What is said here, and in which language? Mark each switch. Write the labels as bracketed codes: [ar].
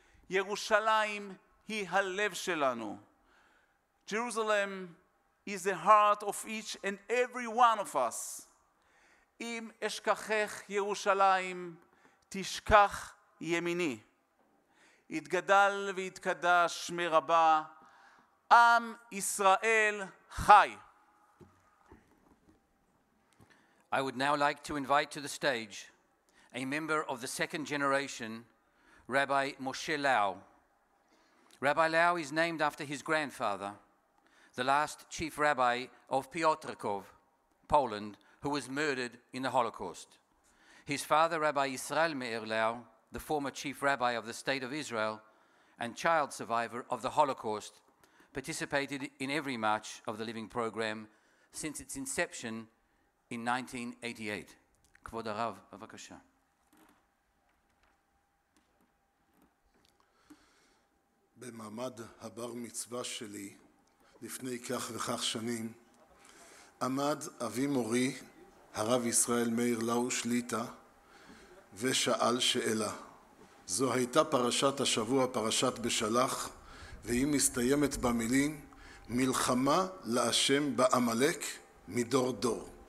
[he] ירושלים היא הלב שלנו Jerusalem is the heart of each and every one of us אם אשכחך ירושלים תשכח ימיני יתגדל ויתקדש מרבה עם ישראל חי [en] I would now like to invite to the stage a member of the second generation Rabbi Moshe Lau Rabbi Lau is named after his grandfather the last chief rabbi of Piotrków Poland who was murdered in the Holocaust his father Rabbi Israel Meir Lau the former chief rabbi of the state of Israel and child survivor of the Holocaust participated in every march of the living program since its inception in 1988 Kvod Rav bavakasha [he] במעמד הבר מצווה שלי לפני כך וכך שנים עמד אבי מורי הרב ישראל מאיר לאו שליטה ושאל שאלה זו הייתה פרשת השבוע פרשת בשלח והיא מסתיימת במילים מלחמה לאשם בעמלק מדור דור